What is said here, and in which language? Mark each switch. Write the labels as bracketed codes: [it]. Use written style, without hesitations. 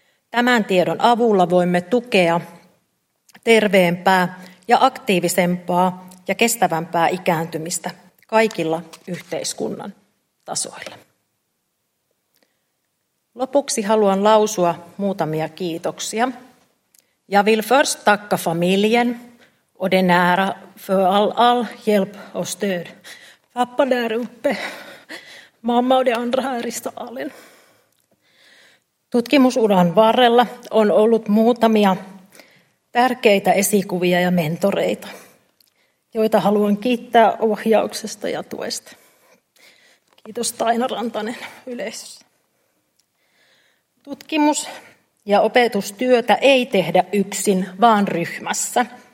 [fi] Tämän tiedon avulla voimme tukea terveempää ja aktiivisempaa ja kestävämpää ikääntymistä kaikilla yhteiskunnan tasoilla. Lopuksi haluan lausua muutamia kiitoksia. [sv] Jag vill först tacka familjen och den nära för all hjälp och stöd. Pappa där uppe, mamma och de andra här i salen. [fi] Tutkimusuran varrella on ollut muutamia tärkeitä esikuvia ja mentoreita, joita haluan kiittää ohjauksesta ja tuesta. Kiitos Taina Rantanen yleisössä. Tutkimus- ja opetustyötä ei tehdä yksin, vaan ryhmässä.